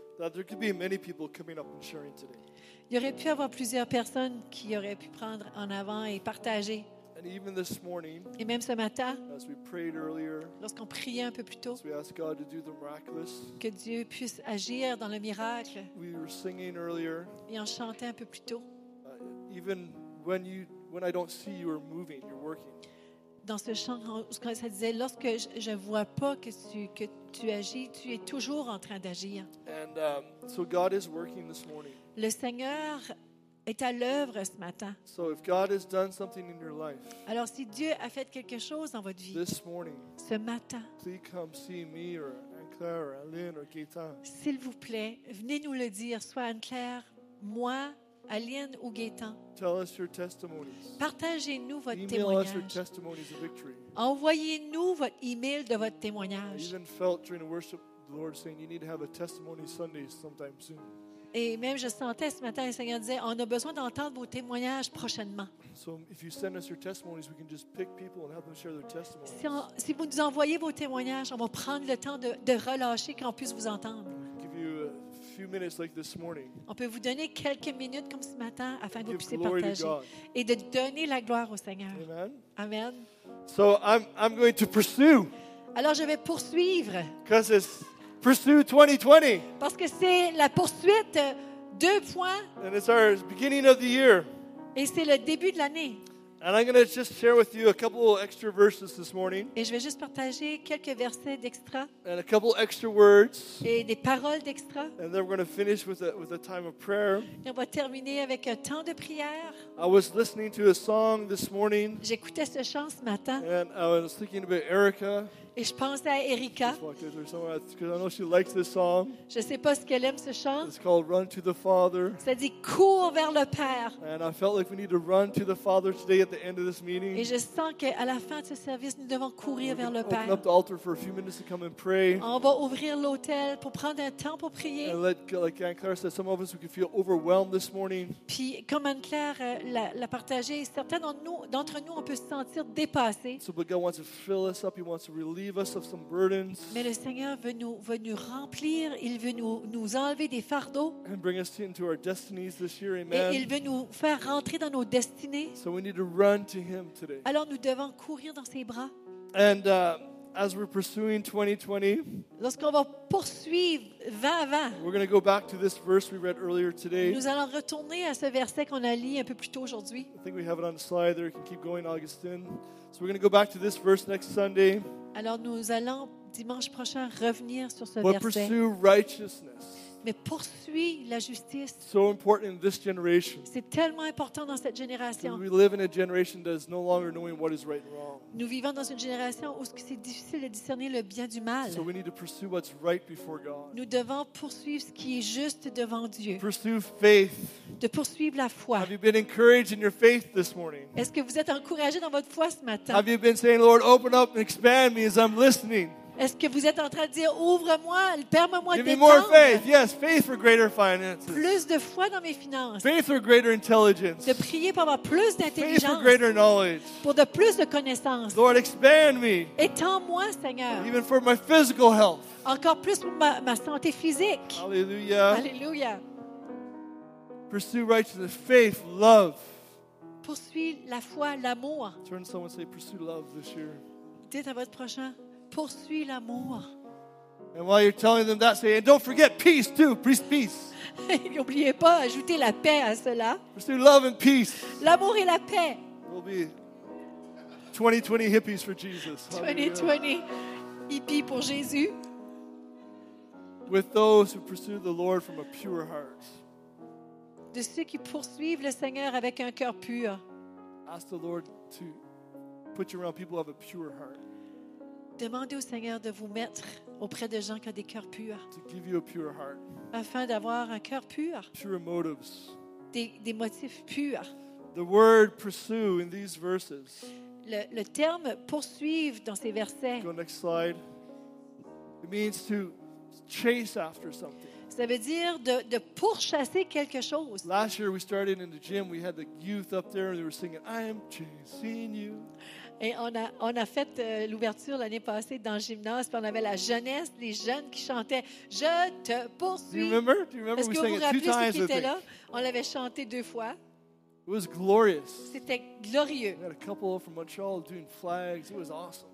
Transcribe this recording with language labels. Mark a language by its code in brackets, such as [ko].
[en] that there could be many people coming up and sharing today. [fr] Il aurait pu avoir plusieurs personnes qui auraient pu prendre en avant et partager. [en] And even this morning, [fr] et même ce matin, [en] as we prayed earlier, [fr] lorsqu'on priait un peu plus tôt, [en] as we asked God to do the miraculous, [fr] que Dieu puisse agir dans le miracle, [en] we were singing earlier, [fr] et en chantant un peu plus tôt, [en] even when I don't see you are moving, you're working. [fr] Dans ce chant, ça disait, lorsque je ne vois pas que tu agis, tu es toujours en train d'agir. [en] And, so God is working this morning. [fr] Le Seigneur est à l'œuvre ce matin. [en] So if God has done something in your life, [fr] alors si Dieu a fait quelque chose dans votre vie, [en] this morning, [fr] ce matin, [en] please come see me or Anne-Claire, or Aline or Gaëtan. [fr] S'il vous plaît, venez nous le dire, soit Anne-Claire, moi, Aline ou Gaëtan. [en] Tell us your testimonies. [fr] Partagez-nous votre [en] email [fr] témoignage. [en] Email us your testimonies of victory. [fr] Envoyez-nous votre email de votre témoignage. [en] I even felt during the worship, the Lord saying, "You need to have a testimony Sunday sometime soon." [fr] Et même je sentais ce matin, le Seigneur disait, on a besoin d'entendre vos témoignages prochainement. [en] So if you send us your testimonies, we can just pick people and help them share their testimonies. [fr] Si vous nous envoyez vos témoignages, on va prendre le temps de relâcher qu'on puisse vous entendre. [en] Few minutes like this morning. [fr] On peut vous donner quelques minutes comme ce matin afin que vous puissiez partager et de donner la gloire au Seigneur. [en] Amen. [fr] Amen. [en] So I'm going to pursue. [fr] Alors je vais poursuivre. [en] Because it's pursue 2020. [fr] Parce que c'est la poursuite 2. [en] And it's our beginning of the year. [fr] Et c'est le début de l'année. [en] And I'm going to just share with you a couple extra verses this morning. [fr] Et je vais juste partager quelques versets d'extra. [en] And a couple extra words. [fr] Et des paroles d'extra. [en] And then we're going to finish with a time of prayer. [fr] Et on va terminer avec un temps de prière. [en] I was listening to a song this morning. [fr] J'écoutais ce chant ce matin. [en] And I was thinking about Erica. [fr] Et je pensais à Erica. [en] I know she likes this song. [fr] Je sais pas ce qu'elle aime ce chant. [en] It's called Run to the Father. [fr] Ça dit cours vers le Père. [en] And I felt like we need to run to the Father today at the end of this meeting. [fr] Et je sens que à la fin de ce service nous devons courir vers le Père. [en] Open up the altar for a few minutes to come and pray. [fr] On va ouvrir l'autel pour prendre un temps pour prier. [en] And like Anne-Claire said, some of us we can feel overwhelmed this morning. [fr] Puis comme Anne-Claire l'a partagé, certains d'entre nous on peut se sentir dépassés. [en] So but God wants to fill us up. He wants to relieve us of some burdens. [fr] Mais le Seigneur veut nous remplir, il veut nous enlever des fardeaux. [en] And bring us into our destinies this year, amen. [fr] Et il veut nous faire rentrer dans nos destinées. [en] So we need to run to him today. [fr] Alors nous devons courir dans ses bras. [en] And as we're pursuing 2020, [fr] lorsqu'on va poursuivre 2020, [en] we're going to go back to this verse we read earlier today. [fr] Nous allons retourner à ce verset qu'on a lu un peu plus tôt aujourd'hui. [en] I think we have it on the slide there. You can keep going, Augustine. So we're going to go back to this verse next Sunday. [fr] Alors nous allons dimanche prochain revenir sur ce [en] but [fr] verset. [en] Pursue righteousness. [fr] Mais poursuis la justice. [en] So important in this generation. [fr] C'est tellement important dans cette génération. [en] We live in a generation that is no longer knowing what is right and wrong. [fr] Nous vivons dans une génération où c'est difficile de discerner le bien du mal. [en] So we need to pursue what's right before God. [fr] Nous devons poursuivre ce qui est juste devant Dieu. [en] Pursue faith. [fr] De poursuivre la foi. [en] Have you been encouraged in your faith this morning? [fr] Est-ce que vous êtes encouragé dans votre foi ce matin? [en] Have you been saying, Lord, open up and expand me as I'm listening? [fr] Est-ce que vous êtes en train de dire ouvre-moi, permets-moi d'entendre? [en] More faith. Yes, faith for greater finances. [fr] Plus de foi dans mes finances. [en] Faith for greater intelligence. [fr] De prier pour avoir plus d'intelligence. [en] Faith for greater knowledge. [fr] Pour de plus de connaissances. [en] Lord, expand me. [fr] Étends-moi, Seigneur. [en] Even for my physical health. [fr] Encore plus pour ma santé physique. [en] Hallelujah. [fr] Hallelujah. [en] Pursue righteousness, faith, love. [fr] Poursuis la foi, l'amour. [en] Turn to someone and say pursue love this year. [fr] Dites à votre prochain. Poursuis l'amour. [en] And while you're telling them that, say, and don't forget peace too. Pursue peace. [fr] N'oubliez pas, ajoutez la paix à cela. [en] Pursue love and peace. [fr] L'amour et la paix. [en] We'll be 2020 hippies for Jesus. [fr] 2020 hippies pour Jésus. [en] With those who pursue the Lord from a pure heart. [fr] De ceux qui poursuivent le Seigneur avec un cœur pur. [en] Ask the Lord to put you around people who have a pure heart. [fr] Demandez au Seigneur de vous mettre auprès de gens qui ont des cœurs purs. [en] To give you a pure heart. [fr] Afin d'avoir un cœur pur. [en] Pure motives. [fr] Des motifs purs. [en] The word pursue in these verses. [fr] Le terme poursuivre dans ces versets. [en] Go next slide. It means to chase after something. [fr] Ça veut dire de pourchasser quelque chose. [en] Last year we started in the gym. We had the youth up there and they were singing, "I am chasing you." [fr] Et on a fait l'ouverture l'année passée dans le gymnase, puis on avait la jeunesse, les jeunes qui chantaient « Je te poursuis ». Est-ce que vous vous rappelez ce qui était là? On l'avait chanté deux fois. [en] It was glorious. [fr] C'était glorieux. [en] We had a couple from Montreal doing flags. It was awesome.